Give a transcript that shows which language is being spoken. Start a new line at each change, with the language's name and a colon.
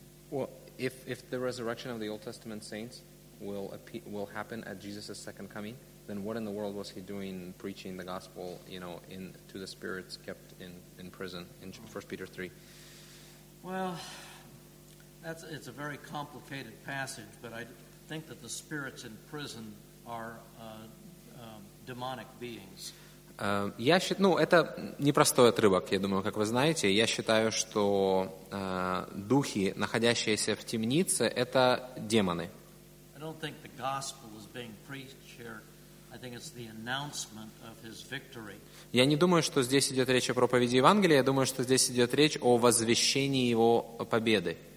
English: Well, if the resurrection of the Old Testament saints will happen at Jesus' second coming, then what in the world was he doing preaching the gospel, you know, in to the spirits kept in prison in 1 Peter 3? Well, it's a very complicated passage, but I think that the spirits in prison are demonic beings.
Russian: Это непростой отрывок, я думаю, как вы знаете. Я считаю, что духи, находящиеся в темнице, это демоны.
English: I don't think the gospel is being preached here. I think it's the announcement of his victory.
Russian: Я не думаю, что здесь идет речь о проповеди Евангелия. Я думаю, что здесь идет речь о возвещении его победы.